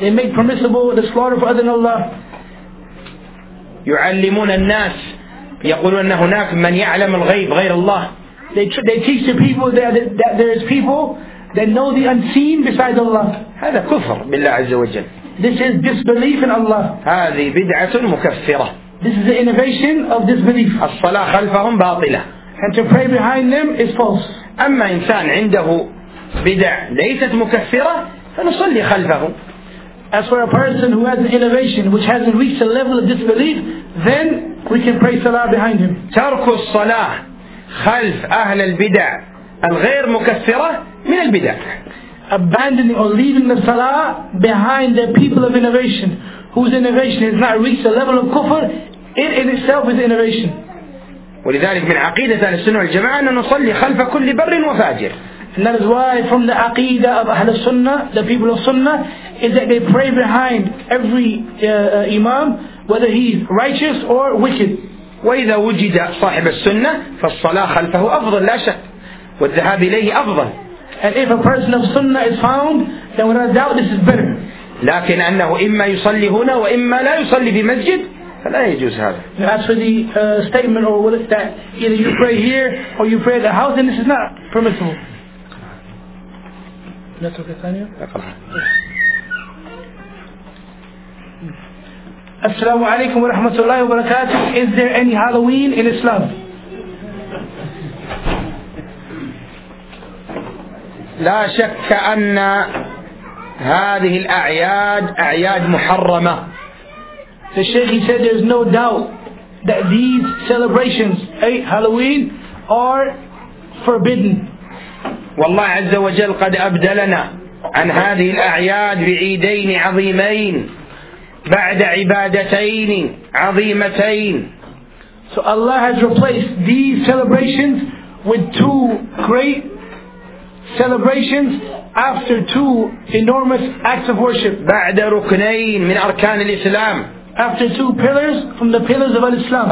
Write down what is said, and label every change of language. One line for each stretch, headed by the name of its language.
English: They make permissible the slaughter for other than Allah.
Arabic: يعلمون الناس يقولون أن هناك من يعلم الغيب غير الله.
English: They teach the people that there is people that know the unseen besides Allah.
Arabic: هذا كفر بالله عز وجل.
English: This is disbelief in Allah.
Arabic: هذه بدعة مكفرة.
English: This is the innovation of disbelief.
Arabic: الصلاة خلفهم باطلة.
English: And to pray behind them is false.
Arabic: أما إنسان عنده بدع ليست مكفرة فنصلي خلفه.
English: As for a person who has an innovation which hasn't reached the level of disbelief, then we can pray salah behind him.
Arabic: ترك الصلاة خلف أهل البدع الغير مكفرة من البدع.
English: Abandoning or leaving the salah behind the people of innovation whose innovation has not reached the level of kufr, it in itself is innovation.
Arabic: ولذلك من عقيدة أهل السنة والجماعة أن نصلي خلف كل بر وفاجر.
English: And that is why from the aqeedah of Ahl al-Sunnah, the people of Sunnah, is that they pray behind every imam, whether he's righteous or wicked.
Arabic: وَإِذَا وُجِدَ صَاحِبَ السُنَّةِ فَالصَّلَاةَ خَلْفَهُ أَفْضَلْ لَا شَكْ وَالذَّهَابِ إِلَيْهِ أَفْضَلْ.
English: And if a person of Sunnah is found, then without doubt this is better.
Arabic: لكن أنه إما يصلي هنا وإما لا يصلي في مسجد فلا يجوز هذا.
English: As for the statement or what is that, either you pray here or you pray at the house, then this is not permissible. Assalamu alaikum wa rahmatullahi wa barakatuh. Is there any Halloween in Islam?
Arabic: لا شك أن هذه الأعياد أعياد محرمة.
English: The Sheikh said there is no doubt that these celebrations, Halloween, are forbidden.
Arabic: والله عز وجل قد أبدلنا عن هذه الأعياد بعيدين عظيمين بعد عبادتين عظيمتين.
English: So Allah has replaced these celebrations with two great celebrations after two enormous acts of worship.
Arabic: بعد ركنين من أركان الإسلام.
English: After two pillars from the pillars of Islam.